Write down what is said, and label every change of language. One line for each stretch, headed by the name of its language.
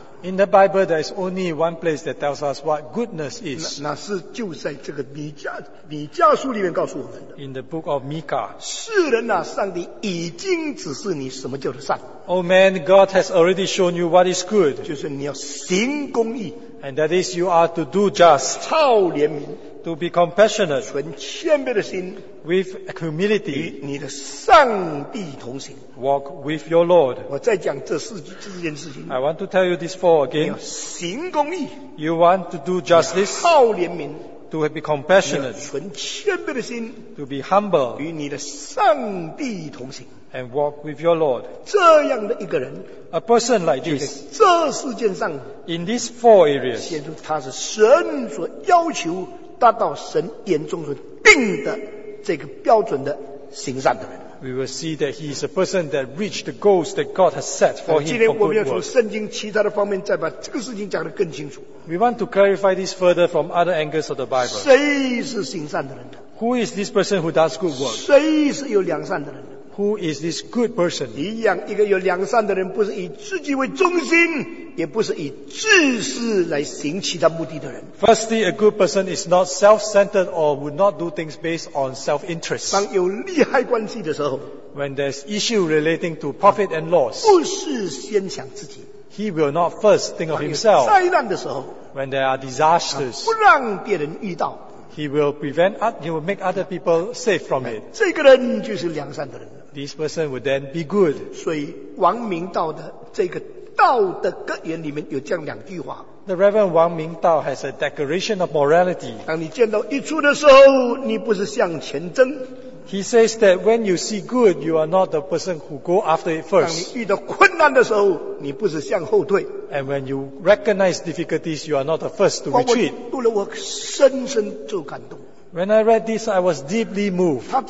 English: In the Bible, there is only one place that tells us what goodness is.
Chinese: 那是就在这个米迦书里面告诉我们的。
English: In the book of Micah.
Chinese: 世人啊, 上帝已经指示你什么叫做善。
English: O man, God has already shown you what is good.
Chinese: 就是你要行公义。
English: And that is, you are to do just.
Chinese: 超怜悯。
English: To be compassionate.
Chinese: 存谦卑的心。
English: With humility.
Chinese: 与你的上帝同行。
English: Walk with your Lord.
Chinese: 我再讲这四件事情。
English: I want to tell you these four again.
Chinese: 你要行公义。
English: You want to do justice.
Chinese: 你要好怜悯。
English: To be compassionate.
Chinese: 你要存谦卑的心。
English: To be humble.
Chinese: 与你的上帝同行。
English: And walk with your Lord.
Chinese: 这样的一个人,
English: a person like this,
Chinese: 在这世界上,
English: in these four areas,
Chinese: 显出他是神所要求, 达到神眼中所定的这个标准的行善的人。
English: We will see that he is a person that reached the goals that God has set for him for good work.
Chinese: 今天我们要从圣经其他的方面再把这个事情讲得更清楚。
English: We want to clarify this further from other angles of the Bible.
Chinese: 谁是行善的人?
English: Who is this person who does good work?
Chinese: 谁是有良善的人?
English: Who is this good person?
Chinese: 一样，一个有良善的人，不是以自己为中心。也不是以自私来行其他目的的人。
English: Firstly, a good person is not self-centered or would not do things based on self-interest.
Chinese: 当有利害关系的时候,
English: when there's issue relating to profit and loss,
Chinese: 不是先想自己。
English: He will not first think of himself.
Chinese: 灾难的时候,
English: when there are disasters,
Chinese: 不让别人遇到,
English: he will prevent, he will make other people safe from it.
Chinese: 这个人就是良善的人。
English: This person would then be good.
Chinese: 所以王明道的这个道德格言里面有这样两句话。
English: The Reverend Wang Mingdao has a declaration of morality.
Chinese: 当你见到益处的时候，你不是向前争。
English: He says that when you see good, you are not the person who go after it first.
Chinese: 当你遇到困难的时候，你不是向后退。
English: And when you recognize difficulties, you are not the first to retreat.
Chinese: 读了我深深就感动。
English: When I read this, I was deeply moved.